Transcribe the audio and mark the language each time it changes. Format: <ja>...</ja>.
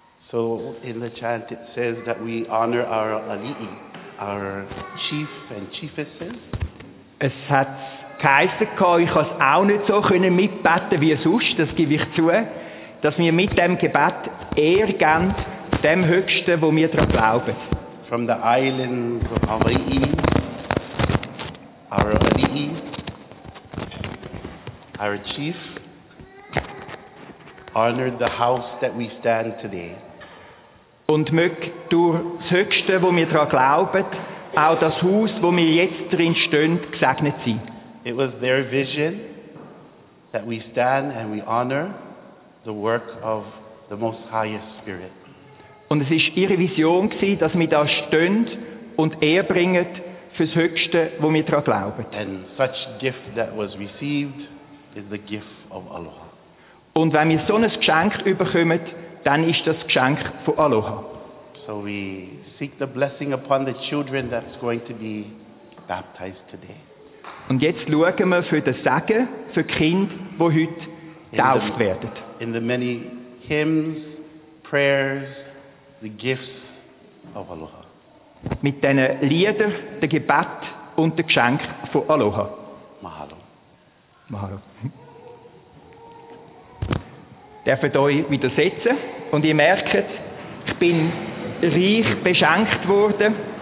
<en>So in the chant it says that we honor our ali'i, our chief and chiefesses.</en> <de>Es hat geheißen gehabt, ich konnte es auch nicht so können mitbeten wie sonst, das gebe ich zu, dass wir mit dem Gebet Ehr geben, dem Höchsten, wo wir daran glauben.</de> <en>From the islands of Hawaii, our ali'i, our chief, honored the house that we stand today.</en> <de>Und mög durch das Höchste, wo wir dran glauben, auch das Haus, wo wir jetzt drin stehen, gesegnet sein.</de> <en>It was their vision that we stand and we honor the work of the Most Highest Spirit.</en> <de>Und es ist ihre Vision gewesen, dass wir da stehen und Ehr bringen fürs Höchste, wo wir daran glauben.</de> <en>And such gift that was received is the gift of Aloha.</en> <de>Und wenn wir so ein Geschenk überkommen, dann ist das Geschenk von Aloha.</de> <en>So we seek the blessing upon the children that's going to be baptized today.</en> <de>Und jetzt schauen wir für den Segen für die Kinder, die heute getauft werden.</de> <en>In the many hymns, prayers, the gifts of Aloha.</en> <de>Mit diesen Liedern, dem Gebet und dem Geschenk von Aloha.</de> <haw>Mahalo. Mahalo.</haw> <de>Dürft ihr euch wieder setzen und ihr merkt, ich bin reich beschenkt worden</de>